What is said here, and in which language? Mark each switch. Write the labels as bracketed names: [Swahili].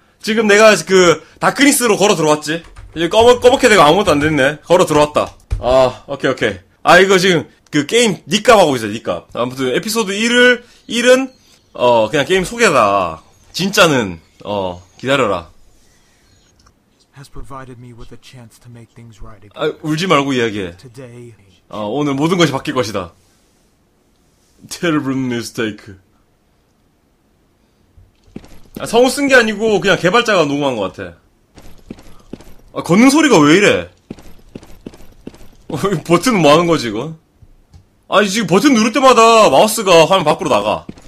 [Korean] 지금 내가 그 다크니스로 걸어 들어왔지. 이제 꺼멓게 내가 아무것도 안 됐네. 걸어 들어왔다. 아, 오케이, 오케이. 아, 이거 지금 그 게임 닉값 하고 있어, 닉값. 아무튼 에피소드 1은 어, 그냥 게임 소개다. 진짜는 어, 기다려라. [English] Has provided me with a chance to make things right again. [Korean] 아, 울지 말고 이야기해. 어, 오늘 모든 것이 바뀔 것이다. [English] Terrible mistake. [Korean] 아, 성우 쓴 게 아니고 그냥 개발자가 녹음한 것 같아. 아, 걷는 소리가 왜 이래? 버튼 뭐 하는 거지 이건? 아니 지금 버튼 누를 때마다 마우스가 화면 밖으로 나가.